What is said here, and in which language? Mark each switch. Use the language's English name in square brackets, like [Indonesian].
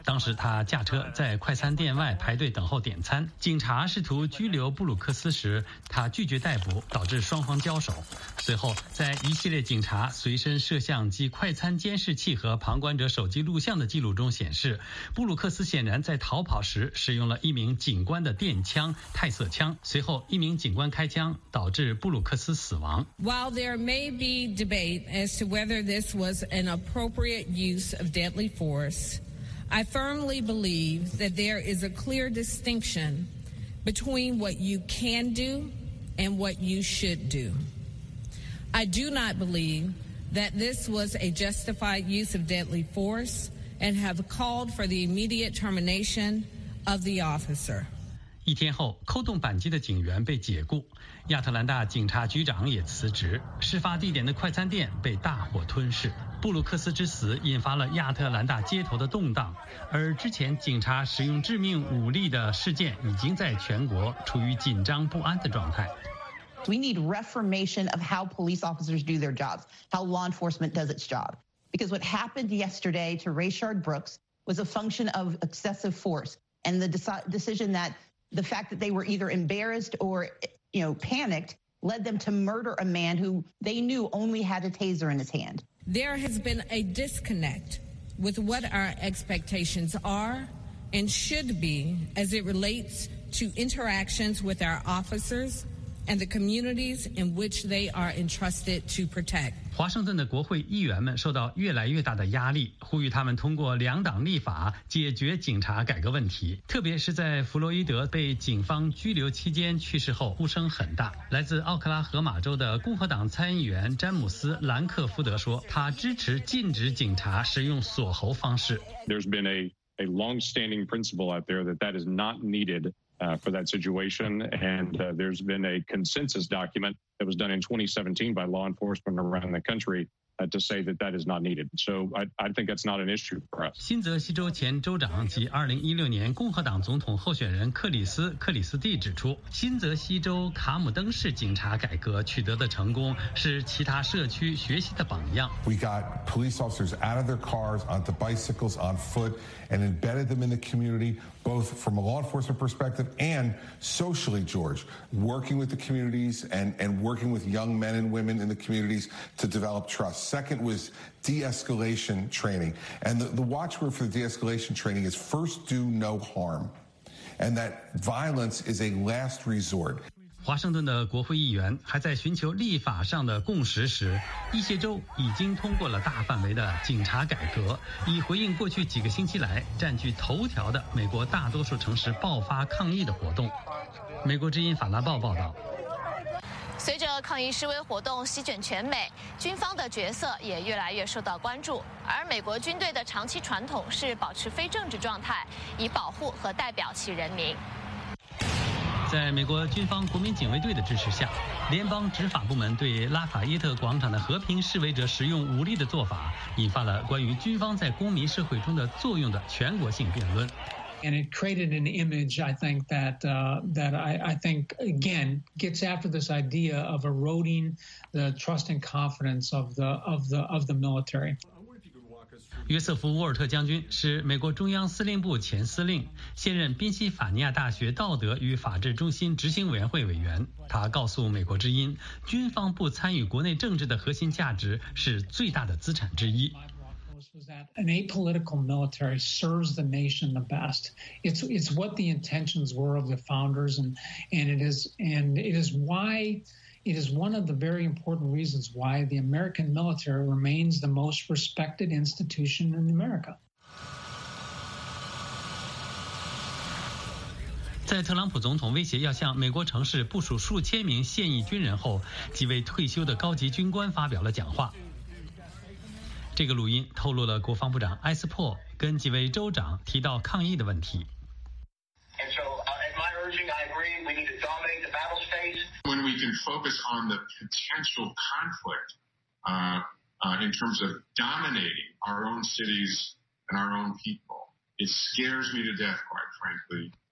[Chinese] 当时他驾车在快餐店外排队等候点餐，警察试图拘留布鲁克斯时，他拒绝逮捕，导致双方交手。随后，在一系列警察随身摄像机、快餐监视器和旁观者手机录像的记录中显示，布鲁克斯显然在逃跑时使用了一名警官的电枪泰瑟枪。随后，一名警官开枪导致布鲁克斯死亡。 [English] While there may be debate as to whether this was an appropriate use of deadly force, I firmly believe that there is a clear distinction between what you can do and what you should do. I do not believe that this was a justified use of deadly force and have called for the immediate termination of the officer. [Chinese] 一天后，扣动扳机的警员被解雇，亚特兰大警察局长也辞职，事发地点的快餐店被大火吞噬。布鲁克斯之死引发了亚特兰大街头的动荡，而之前警察使用致命武力的事件已经在全国处于紧张不安的状态。 [English] We need reformation of how police officers do their jobs, how law enforcement does its job. Because what happened yesterday to Rayshard Brooks was a function of excessive force and the decision thatThe fact that they were either embarrassed or, you know, panicked led them to murder a man who they knew only had a taser in his hand. There has been a disconnect with what our expectations are and should be as it relates to interactions with our officers and the communities in which they are entrusted to protect. [Chinese] 华盛顿的国会议员们受到越来越大的压力，呼吁他们通过两党立法解决警察改革问题。特别是在弗洛伊德被警方拘留期间去世后，呼声很大。来自奥克拉荷马州的共和党参议员詹姆斯·兰克福德说，他支持禁止警察使用锁喉方式。 [English] There's been a long-standing principle out there that is not needed for that situation, and there's been a consensus document that was done in 2017 by law enforcement around the country to say that that is not needed. So I think that's not an issue for us. [Chinese] 新泽西州前州长及2016年共和党总统候选人克里斯蒂指出，新泽西州卡姆登市警察改革取得的成功是其他社区学习的榜样。 [English] We got police officers out of their cars, onto bicycles, on foot, and embedded them in the community, both from a law enforcement perspective and socially, George, working with the communities and working with young men and women in the communities to develop trust. Second was de-escalation training. And the watchword for the de-escalation training is first do no harm. And that violence is a last resort. [Chinese] 华盛顿的国会议员还在寻求立法上的共识时，一些州已经通过了大范围的警察改革，以回应过去几个星期来占据头条的美国大多数城市爆发抗议的活动。美国之音法拉报报道。随着抗议示威活动席卷全美，军方的角色也越来越受到关注。而美国军队的长期传统是保持非政治状态，以保护和代表其人民。在美国军方国民警卫队的支持下，联邦执法部门对拉法耶特广场的和平示威者使用武力的做法，引发了关于军方在公民社会中的作用的全国性辩论。 [English] And it created an image, I think, that I think, again, gets after this idea of eroding the trust and confidence of the military. [Chinese] 约瑟夫·沃尔特将军是美国中央司令部前司令，现任宾夕法尼亚大学道德与法治中心执行委员会委员。他告诉美国之音，军方不参与国内政治的核心价值是最大的资产之一。 [English] Was that an apolitical military serves the nation the best? It's what the intentions were of the founders, and it is one of the very important reasons why the American military remains the most respected institution in America. [Chinese] 在特朗普总统威胁要向美国城市部署数千名现役军人后，几位退休的高级军官发表了讲话。这个录音透露了国防部长埃斯珀跟几位州长提到抗议的问题。 [English] And so, at my urging, I agree we need to dominate the battle space. When we can focus on the potential conflict, in terms of dominating our own cities and our own people, it scares me to death, quite frankly.